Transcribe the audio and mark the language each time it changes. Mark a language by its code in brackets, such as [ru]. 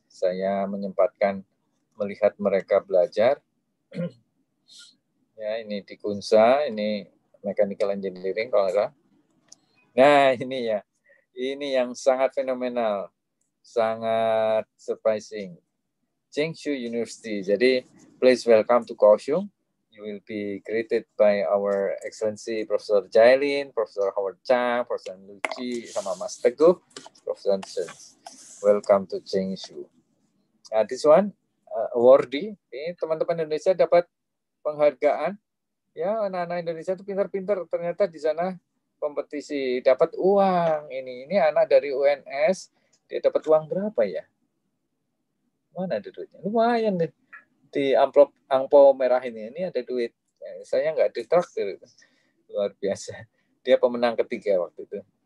[id] Saya menyempatkan melihat mereka belajar. Ya ini di Kunshan, ini mechanical engineering kalau enggak. Nah ini ya, ini yang sangat fenomenal, sangat surprising. [en] Tsinghua University, [id] jadi [en] please welcome to Kaohsiung. You will be greeted by our excellency Professor Jailin, Professor Howard Chang, Professor Lu Chi, [id] sama [en] Mas Teguh, Professor Chen. Welcome to Tsinghua. This one, awardee, [id] ini teman-teman Indonesia dapat penghargaan. Ya, anak-anak Indonesia itu pintar-pintar ternyata di sana. Kompetisi dapat uang ini anak dari UNS, dia dapat uang berapa ya, mana ada duitnya, lumayan deh di amplop angpo merah ini ada duit, saya nggak ditraktir, luar biasa, dia pemenang ketiga waktu itu.